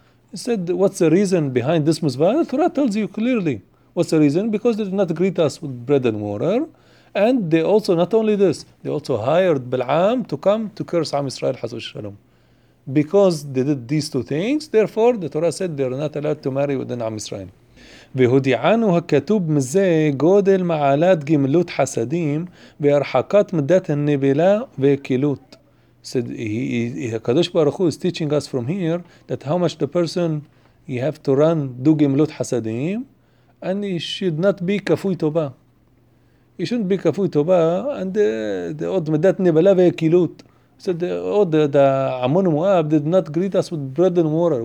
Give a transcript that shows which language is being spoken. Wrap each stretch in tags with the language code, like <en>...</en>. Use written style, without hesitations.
<en>He said, what's the reason behind this mitzvah? The Torah tells you clearly. What's the reason? Because they did not greet us with bread and water. And they also, not only this, they also hired Bil'am to come to curse Am Israel, Chas v'Shalom. Because they did these two things, therefore the Torah said they are not allowed to marry within Am Israel.</en> <he>והודיענו הכתוב מזה גודל מעלת גמלות חסדים והרחקת מדת הנבלה וכילות.</he> <en>Said he, Kadosh Baruch Hu is teaching us from here that how much the person he have to run, do gimlut hasadim, and he should not be kafui toba. you shouldn't be kafui toba, and the od medat nebala ve'kilut. So the Amon Moab did not greet us with bread and water.</en>